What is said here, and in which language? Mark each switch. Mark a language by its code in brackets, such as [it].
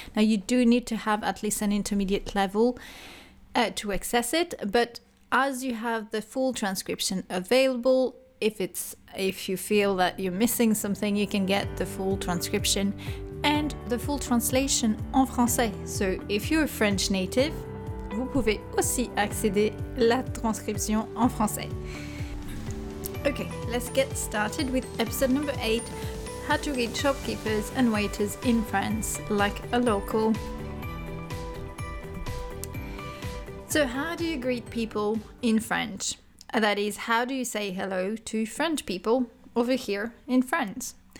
[en] Now, you do need to have at least an intermediate level to access it. But as you have the full transcription available, if you feel that you're missing something, you can get the full transcription and the full translation [fr] en français. [en] So if you're a French native, [fr] vous pouvez aussi accéder à la transcription en français. [en] Okay, let's get started with episode number 8, how to greet shopkeepers and waiters in France like a local. So how do you greet people in French? That is, how do you say hello to French people over here in France?